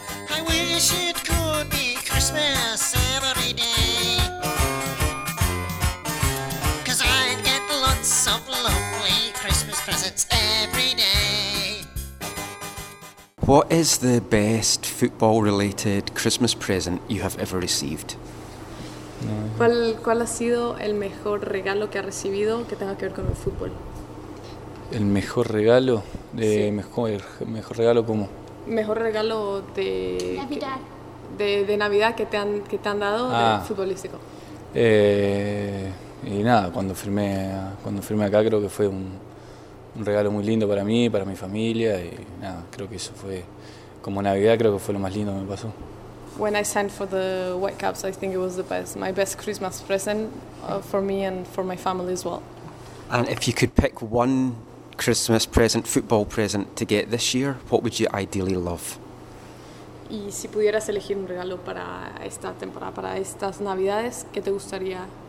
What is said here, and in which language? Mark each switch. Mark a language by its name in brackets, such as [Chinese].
[English] I wish it could be Christmas every day, 'cause I'd get lots of lovely Christmas presents every day. What is the best football-related Christmas present you have ever received? [Spanish] ¿Cuál ha sido el mejor regalo que ha recibido que tenga que ver con el fútbol? ¿El mejor regalo? De sí. mejor regalo cómo? ¿Mejor regalo de Navidad? De Navidad que te han dado de futbolístico. Y nada, cuando firmé acá, creo que fue un regalo muy lindo para mí, para mi familia, y nada, creo que eso fue como Navidad, creo que fue lo más lindo que me pasó. [English] When I signed for the Whitecaps, I think it was my best Christmas present for me and for my family as well. And if you could pick one Christmas present, football present, to get this year, what would you ideally love? [Spanish] Y si pudieras elegir un regalo para esta temporada, para estas Navidades, ¿qué te gustaría